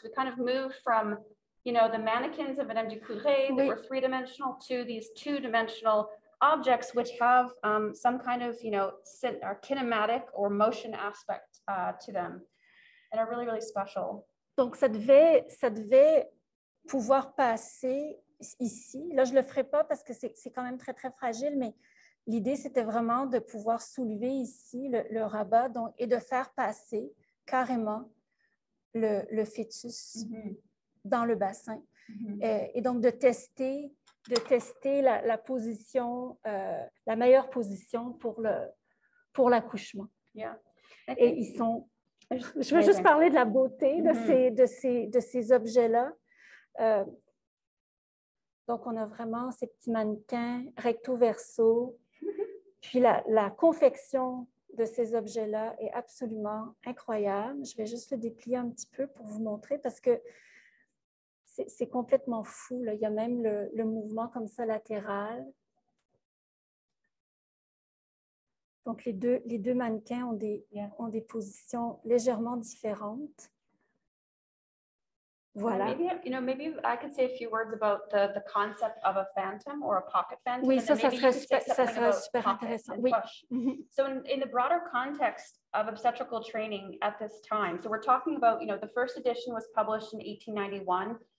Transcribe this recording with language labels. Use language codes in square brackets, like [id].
[en] So we kind of moved from, you know, the mannequins of Madame de Coudray that were three-dimensional to these two-dimensional objects, which have some kind of, you know, or kinematic or motion aspect to them and are really, really special. [fr] Donc, ça devait pouvoir passer ici. Là, je le ferai pas parce que c'est quand même très, très fragile, mais... L'idée, c'était vraiment de pouvoir soulever ici le rabat donc, et de faire passer carrément le fœtus dans le bassin. Et donc, de tester la position, la meilleure position pour l'accouchement. [en] Yeah. [fr] Et ils sont... Je veux juste parler de la beauté de ces objets-là. Donc, on a vraiment ces petits mannequins recto verso. Puis la confection de ces objets-là est absolument incroyable. Je vais juste le déplier un petit peu pour vous montrer parce que c'est complètement fou. Là. Il y a même le mouvement comme ça latéral. Donc les deux mannequins ont des positions légèrement différentes. Voilà. [en] Maybe I could say a few words about the concept of a phantom or a pocket phantom. [fr] Oui, ça serait super intéressant. Oui. [en] So in the broader context of obstetrical training at this time, so we're talking about, you know, the first edition was published in 1891.